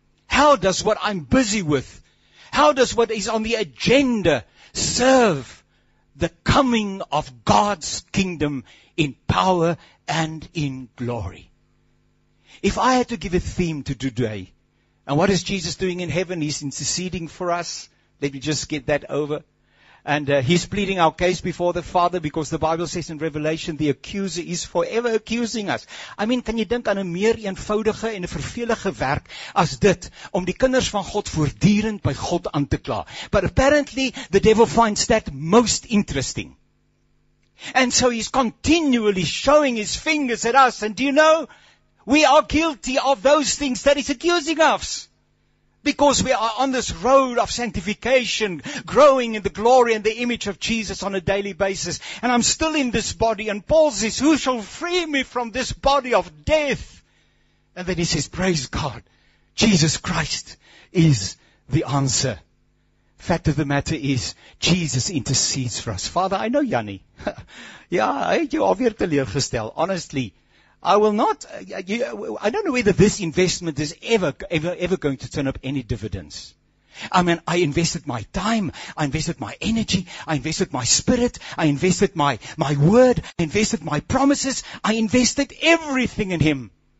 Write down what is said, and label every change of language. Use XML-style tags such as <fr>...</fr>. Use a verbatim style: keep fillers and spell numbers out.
<en>How does what I'm busy with, how does what is on the agenda serve the coming of God's kingdom in power and in glory? If I had to give a theme to today, and what is Jesus doing in heaven? He's interceding for us. Let me just get that over. And uh, he's pleading our case before the Father, because the Bible says in Revelation, the accuser is forever accusing us.</en> <af>I mean, kan jy dink aan 'n meer eenvoudige en 'n vervelige werk as dit, om die kinders van God voortdurend by God aan te kla?</af> <en>But apparently the devil finds that most interesting. And so he's continually showing his fingers at us. And do you know, we are guilty of those things that he's accusing us. because we are on this road of sanctification, growing in the glory and the image of Jesus on a daily basis. And I'm still in this body. And Paul says, who shall free me from this body of death? And then he says, praise God, Jesus Christ is the answer. Fact of the matter is, Jesus intercedes for us. Father, I know Jannie.</en> <af>Ja, hy het jou alweer teleurgestel.</af> <en>Honestly, I will not, uh, you, I don't know whether this investment is ever, ever, ever going to turn up any dividends. I mean, I invested my time, I invested my energy, I invested my spirit, I invested my, my word, I invested my promises, I invested everything in Him.</en>